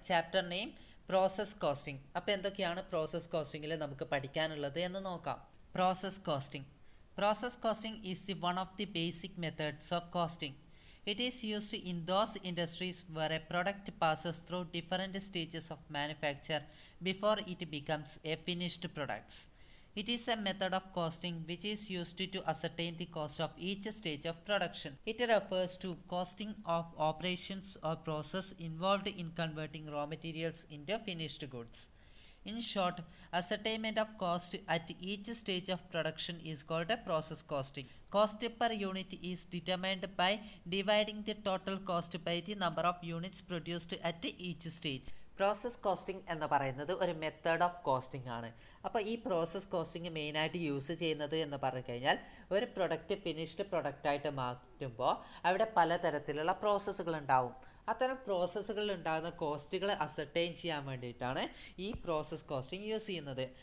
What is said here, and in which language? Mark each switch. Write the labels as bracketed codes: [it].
[ml] Chapter name process costing. അപ്പോൾ എന്തൊക്കെയാണ് process കോസ്റ്റിംഗിൽ നമുക്ക് പഠിക്കാനുള്ളത് എന്ന് നോക്കാം. Process costing. [en] Process costing is the one of the basic methods of costing. It is used in those industries where a product passes through different stages of manufacture before it becomes a finished products. It is a method of costing which is used to ascertain the cost of each stage of production. It refers to costing of operations or process involved in converting raw materials into finished goods. In short, ascertainment of cost at each stage of production is called a process costing. Cost per unit is determined by dividing the total cost by the number of units produced at each stage. [ml] Process costing എന്ന് പറയുന്നത് ഒരു method of costing ആണ്. അപ്പോൾ ഈ process costing മെയിനായിട്ട് use ചെയ്യുന്നത് എന്ന് പറഞ്ഞു കഴിഞ്ഞാൽ ഒരു പ്രൊഡക്റ്റ് ഫിനിഷ്ഡ് പ്രൊഡക്റ്റായിട്ട് മാറ്റുമ്പോൾ അവിടെ പലതരത്തിലുള്ള പ്രോസസ്സുകൾ ഉണ്ടാവും. അത്തരം പ്രോസസ്സുകളിൽ ഉണ്ടാകുന്ന കോസ്റ്റുകൾ അസർട്ടെയിൻ ചെയ്യാൻ വേണ്ടിയിട്ടാണ് ഈ പ്രോസസ് കോസ്റ്റിംഗ് യൂസ് ചെയ്യുന്നത്.